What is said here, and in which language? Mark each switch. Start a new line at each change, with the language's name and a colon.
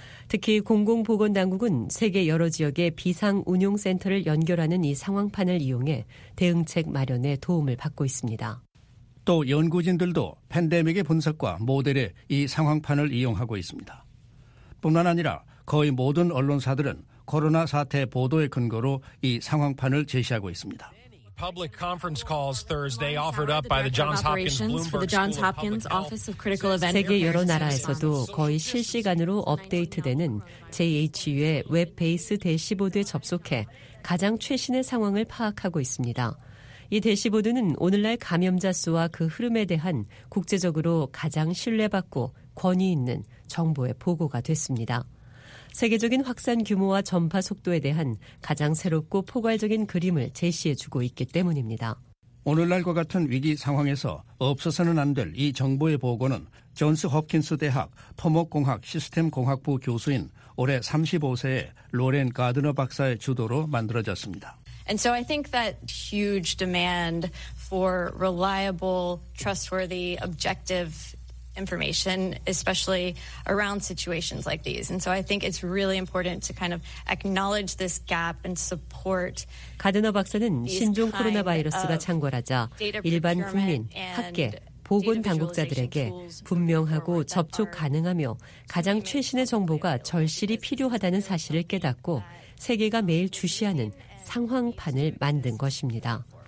Korean: 특히 공공보건당국은 세계 여러 지역의 비상운용센터를 연결하는 이 상황판을 이용해 대응책 마련에 도움을 받고 있습니다. 또 연구진들도 팬데믹의 분석과 모델에 이 상황판을 이용하고 있습니다. 뿐만 아니라 거의 모든 언론사들은 코로나 사태 보도의 근거로 이 상황판을 제시하고 있습니다.
English: Public conference calls Thursday offered up by the Johns Hopkins for the Johns Hopkins Office of Critical Events.
Korean: 세계 여러 나라에서도 거의 실시간으로 업데이트되는 JHU의 웹 베이스 대시보드에 접속해 가장 최신의 상황을 파악하고 있습니다. 이 대시보드는 오늘날 감염자 수와 그 흐름에 대한 국제적으로 가장 신뢰받고 권위 있는 정보의 보고가 됐습니다. 세계적인 확산 규모와 전파 속도에 대한 가장 새롭고 포괄적인 그림을 제시해주고 있기 때문입니다. 오늘날과 같은 위기 상황에서 없어서는 안 될 이 정보의 보고는 존스 홉킨스 대학 토목공학 시스템공학부 교수인 올해 35세의 로렌 가드너 박사의 주도로 만들어졌습니다.
English: And so I think that huge demand for reliable, trustworthy, objective information, especially around situations like these. And so I think it's really important to kind of acknowledge this gap and support.
Korean: 가드너 박사는 신종 코로나 바이러스가 창궐하자 일반 국민, 학계, 보건 당국자들에게 분명하고 접촉 가능하며 가장 최신의 정보가 절실히 필요하다는 사실을 깨닫고 세계가 매일 주시하는 상황판을 만든 것입니다.